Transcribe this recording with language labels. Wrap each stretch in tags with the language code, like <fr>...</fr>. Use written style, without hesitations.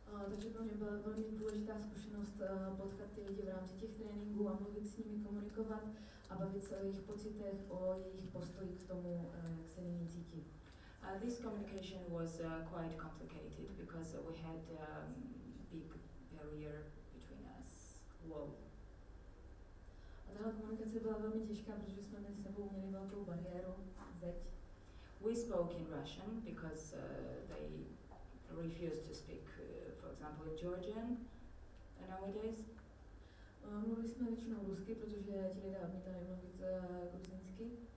<cs>Takže pro mě byla velmi důležitá zkušenost potkat ty lidi v rámci těch tréninků a mluvit s nimi, komunikovat a bavit se o jejich pocitech, o jejich postoji k tomu, jak se nyní cítí.</cs> <en>This communication was quite complicated because we had a big barrier between us. Wow.</en> <cs>A tahle komunikace byla velmi těžká, protože jsme mezi sebou měli velkou bariéru, zeď.</cs> <en>We spoke in Russian because they refused to speak, for example, Georgian nowadays.</en> <cs>Mluvili jsme většinou rusky, protože ti lidé odmítali mluvit gruzínsky.</cs>